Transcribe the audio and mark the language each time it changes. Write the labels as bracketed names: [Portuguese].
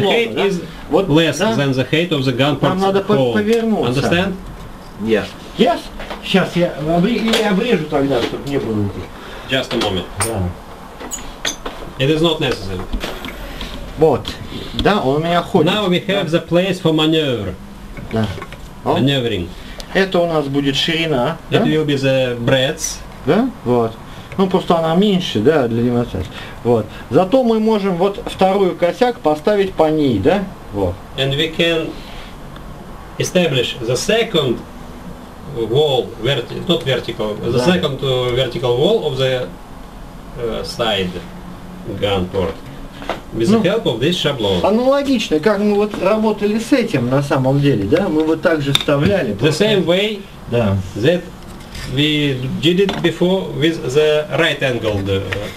[English] the height is less than the height of the gun parts. Understand? Yes. Yes? [Russian] Сейчас я обрежу тогда, чтобы не было здесь. [English] Just a moment. Yeah. It is not necessary. [Russian] Вот. Да, он у меня ходит. [English] Now we have the place for maneuver. [Russian] Да. [English] Oh. Maneuvering. [Russian] Это у нас будет ширина. [English] It will be the breadth. [Russian] Да? Вот. Ну просто она меньше, да, для демонстрации. Вот. Зато мы можем вот вторую косяк поставить по ней, да? Вот. [English] And we can establish the second wall, not vertical, the second vertical wall of the side gun port with the help of this шаблон. [Russian] Аналогично, как мы вот работали с этим на самом деле, да? Мы вот так же вставляли. [English] The same way. [Russian] Да. [English] That we did it before with the right angled gun port.